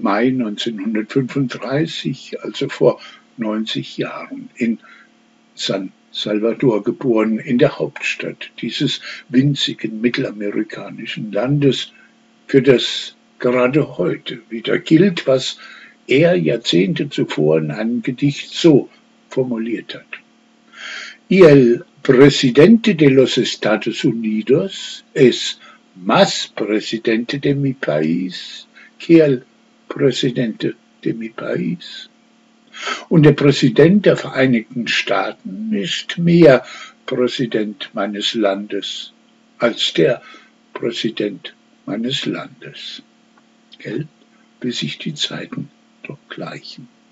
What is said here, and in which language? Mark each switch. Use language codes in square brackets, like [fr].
[de] Mai 1935, also vor 90 Jahren, in San Salvador geboren, in der Hauptstadt dieses winzigen mittelamerikanischen Landes, für das gerade heute wieder gilt, was er Jahrzehnte zuvor in einem Gedicht so formuliert hat. [es] El Presidente de los Estados Unidos es más Presidente de mi país que el Presidente de mi país. [de] Und der Präsident der Vereinigten Staaten ist mehr Präsident meines Landes als der Präsident meines Landes. Gell, wie sich die Zeiten doch gleichen.